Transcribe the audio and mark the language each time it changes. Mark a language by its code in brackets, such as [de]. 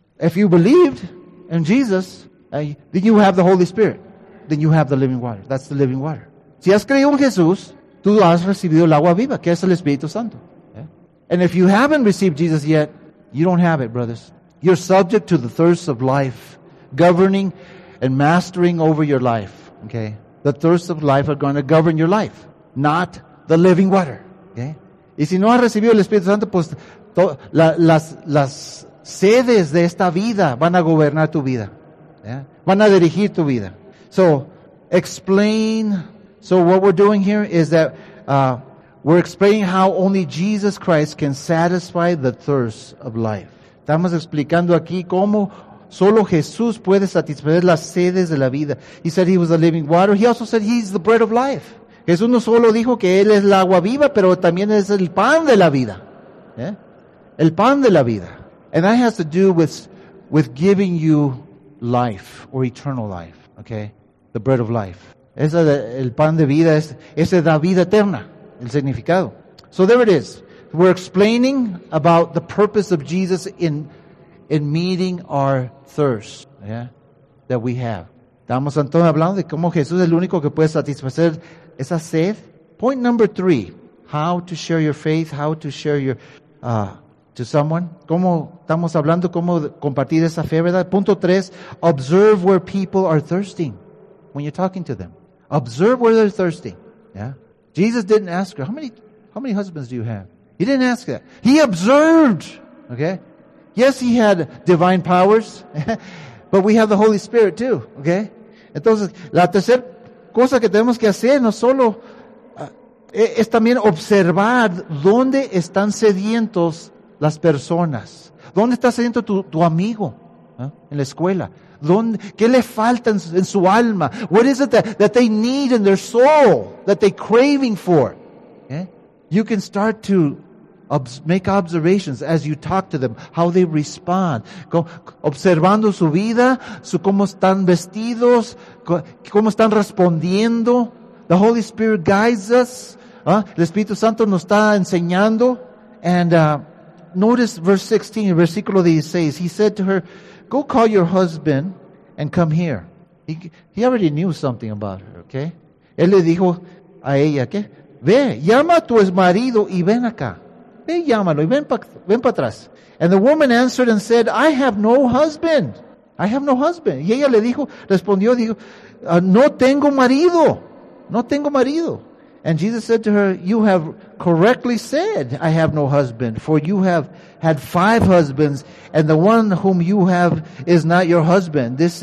[en] If you believed in Jesus, then you have the Holy Spirit. Then you have the living water. That's the living water. [es] Si has creído en Jesús, tú has recibido el agua viva, que es el Espíritu Santo. [en] Yeah? And if you haven't received Jesus yet, you don't have it, brothers. You're subject to the thirst of life, governing and mastering over your life. Okay? The thirst of life are going to govern your life, not the living water. Okay? [es] Y si no has recibido el Espíritu Santo, pues las sedes de esta vida van a gobernar tu vida. Yeah? Van a dirigir tu vida. [en] So what we're doing here is that we're explaining how only Jesus Christ can satisfy the thirst of life. [es] Estamos explicando aquí cómo solo Jesús puede satisfacer las sedes de la vida. [en] He said he was the living water. He also said he's the bread of life. [es] Jesús no solo dijo que él es el agua viva, pero también es el pan de la vida. Yeah? El pan de la vida. [en] And that has to do with giving you life or eternal life. Okay? The bread of life. [es] Es el pan de vida, ese da vida eterna, el significado. [en] So there it is. We're explaining about the purpose of Jesus in meeting our thirst, yeah, that we have. [es] Estamos entonces hablando de cómo Jesús es el único que puede satisfacer esa sed. [en] Point number 3, how to share your faith, how to share your to someone. [es] Cómo estamos hablando, cómo compartir esa fe, ¿verdad? [en] Punto 3, observe where people are thirsting when you're talking to them. Observe where they're thirsty. Yeah. Jesus didn't ask her, how many husbands do you have? He didn't ask that. He observed. Okay. Yes, he had divine powers, but we have the Holy Spirit too. Okay. [es] Entonces, la tercera cosa que tenemos que hacer no solo es también observar dónde están sedientos las personas. ¿Dónde está sediento tu amigo en la escuela? ¿Dónde, qué le falta en su alma? [en] What is it that they need in their soul that they craving for? Okay? You can start to make observations as you talk to them, how they respond. [es] Observando su vida, cómo están vestidos, cómo están respondiendo. [en] The Holy Spirit guides us. [es] El Espíritu Santo nos está enseñando. [en] And notice verse 16, versículo 16. He said to her, go call your husband and come here. He already knew something about her, okay? [es] Él le dijo a ella, ¿qué? Ve, llama a tu marido y ven acá. Ve, llámalo y ven para atrás. [en] And the woman answered and said, I have no husband. I have no husband. [es] Y ella le dijo, respondió, dijo, no tengo marido. No tengo marido. [en] And Jesus said to her, you have correctly said, I have no husband, for you have had five husbands, and the one whom you have is not your husband.